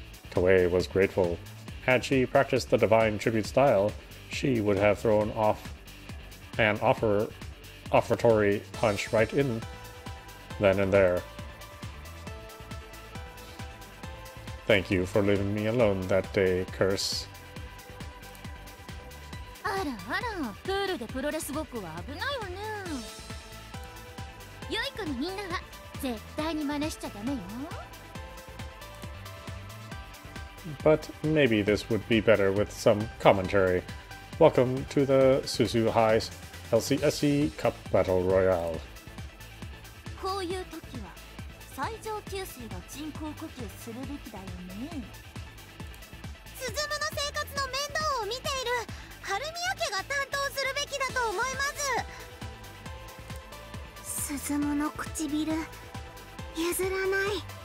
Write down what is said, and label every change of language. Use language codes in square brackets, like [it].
[en] Toei was grateful. Had she practiced the divine tribute style, she would have thrown off an offertory punch right in then and there. Thank you for leaving me alone that day, curse. [ja] あらあら、プールでプロレスごっこは危ないわね。良い子のみんなは絶対に真似しちゃダメよ。 [en] But maybe this would be better with some commentary. Welcome to the Suzu High's LCSE Cup Battle Royale. [ja] こういう時は最上級生が人工呼吸するべきだよね。スズムの生活の面倒を見ている春宮家が担当するべきだと思います。スズムの唇譲らない。